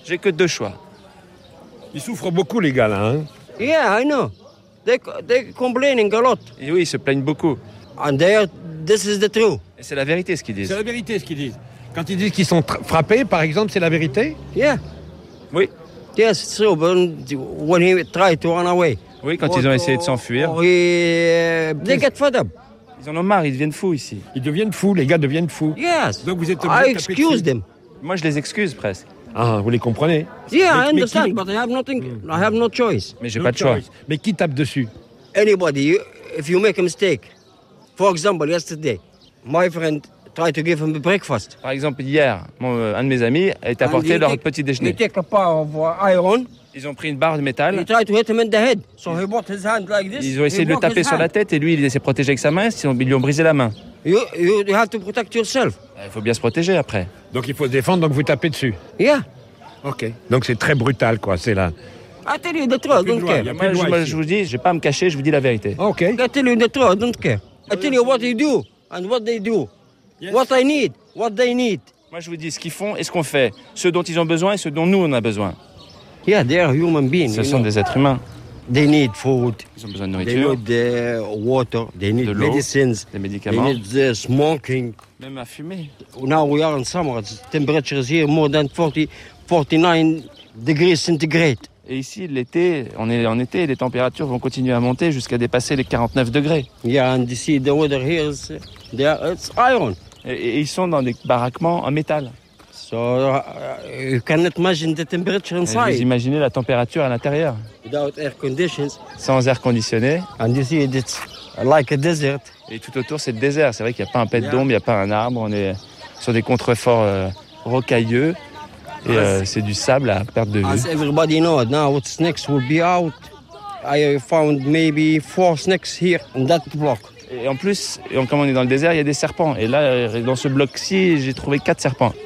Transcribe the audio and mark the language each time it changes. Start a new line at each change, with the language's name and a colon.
French: J'ai que deux choix. Ils souffrent beaucoup, les gars, là, hein?
English: Yeah, I know. They're complaining a lot.
French: Et oui, ils se plaignent beaucoup.
English: And d'ailleurs, this is the truth.
French: Et c'est la vérité, ce qu'ils disent. C'est la vérité, ce qu'ils disent. Quand ils disent qu'ils sont frappés, par exemple, c'est la vérité?
English: Yeah.
French: Oui.
English: Yes, it's true, but when he tried to run away.
French: Oui, quand ils ont essayé de s'enfuir.
English: Oui, they get fed up.
French: Ils en ont marre, ils deviennent fous, ici. Ils deviennent fous, les gars deviennent fous.
English: Yes.
French: Donc vous êtes obligés de taper dessus.
English: I excuse them.
French: Moi, je les excuse, presque. Ah, vous les comprenez?
English: Yeah, mais, I understand, but I have nothing. I have no choice.
French: Mais j'ai pas de choix. Mais qui tape dessus?
English: Anybody. If you make a mistake, for example, yesterday, my friend tried to give him a breakfast.
French: Par exemple, hier, un de mes amis a été apporté leur petit déjeuner.
English: He took a bar of iron.
French: Ils ont pris une barre de métal.
English: He tried to hit him in the head, so he brought his hand like this.
French: Ils ont essayé de le taper sur la tête et lui, il s'est protégé avec sa main, sinon ils lui ont brisé la main.
English: You have to protect yourself.
French: Il faut bien se protéger après. Donc il faut se défendre, donc vous tapez dessus.
English: Yeah.
French: Ok. Donc c'est très brutal, quoi, c'est là.
English: I tell you the truth, don't care.
French: Je vous dis, je vais pas me cacher, je vous dis la vérité. Ok.
English: I tell you the truth, don't care. I tell you what they do and what they do. Yes. What I need, what they need.
French: Moi je vous dis ce qu'ils font et ce qu'on fait. Ce dont ils ont besoin et ce dont nous on a besoin.
English: Yeah, they are human beings.
French: Ce sont des êtres humains.
English: They need food.
French: Ils ont besoin de nourriture.
English: They need water. They need medicines.
French: Des médicaments.
English: They need smoking.
French: Même à fumer.
English: Now we are in summer. The temperature is here more than 49 degrees centigrade.
French: Et ici, l'été, on est en été, les températures vont continuer à monter jusqu'à dépasser les 49 degrés.
English: Yeah, and you see the weather here is it's iron.
French: Et ils sont dans des baraquements en métal.
English: So you cannot imagine the temperature inside.
French: Vous imaginez la température à l'intérieur.
English: Without air conditions.
French: Sans air conditionné.
English: And you see it's like a desert.
French: Et tout autour, c'est le désert. C'est vrai qu'il n'y a pas un pet d'ombre, il n'y a pas un arbre. On est sur des contreforts rocailleux. Et c'est du sable à perte de vue.
English: As everybody knows, now what's next will be out. I found maybe 4 snakes here in that block.
French: Et en plus, comme on est dans le désert, il y a des serpents. Et là, dans ce bloc-ci, j'ai trouvé 4 serpents.